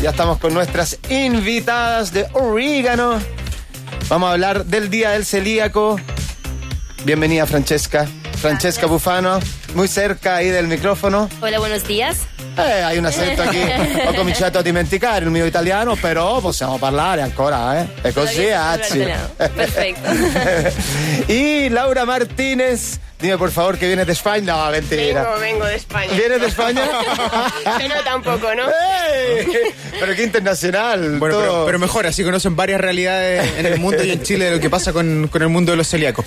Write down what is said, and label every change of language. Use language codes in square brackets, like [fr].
[es] Ya estamos con nuestras invitadas de Orígano. Vamos a hablar del Día del Celíaco. Bienvenida, Francesca. Francesca. Gracias. Bufano, muy cerca ahí del micrófono. Hola, buenos días. Hay un acento aquí. [it] Ho cominciato a dimenticare il mio italiano, però possiamo parlare ancora, eh. È così, anzi. [es] Perfecto. Y Laura Martínez. Dime, por favor, que vienes de España. No, mentira. Vengo de España. ¿Vienes de España? Yo no, tampoco, ¿no? ¡Ey! Pero qué internacional. Bueno, pero mejor, así conocen varias realidades en el mundo y en Chile de lo que pasa con el mundo de los celíacos.